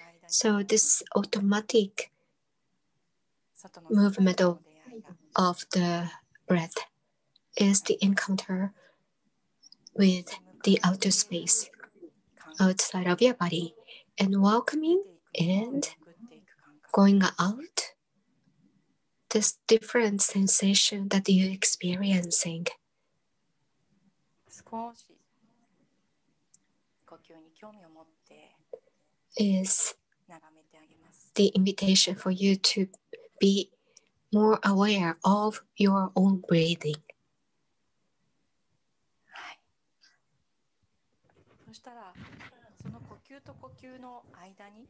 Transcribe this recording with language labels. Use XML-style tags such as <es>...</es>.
<en>So this automatic movement of the breath is the encounter with the outer space outside of your body.And welcoming and going out, this different sensation that you're experiencing.</en> <ja>少し呼吸に興味を持って</ja> <en>is the invitation for you to be more aware of your own breathing.</en> <ja>はい。そしたらその呼吸と呼吸の間に</ja>